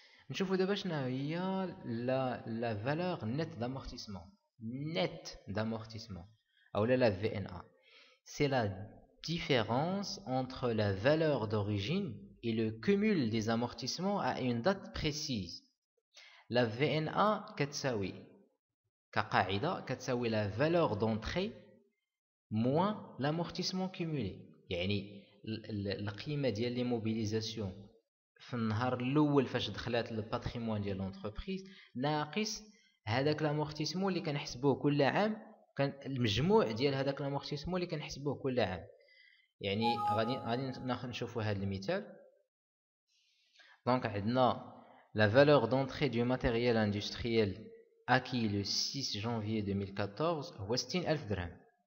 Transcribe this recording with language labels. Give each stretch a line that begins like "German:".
Arabic: نشوفوا دابا شنو هي
French: la valeur nette d'amortissement. Net d'amortissement ou la VNA. C'est la différence entre la valeur d'origine et le cumul des amortissements à une date précise. La VNA
Arabic: كتساوي كقاعدة كتساوي
French: la valeur d'entrée moins l'amortissement cumulé.
Arabic: يعني القيمة ديال l'immobilisation في النهار الأول فاش دخلات الباتريمون ديال لونتربريز ناقص هذاك الامورتيسمون اللي كنحسبوه كل عام كان المجموع ديال هذاك الامورتيسمون اللي كنحسبوه كل عام. يعني غادي نشوفوا هذا المثال. دونك عندنا
French: لا فالور دونتري دو ماتيريال اندستريال اكي لو 6 جانفي 2014
Arabic: هو 60000 درهم.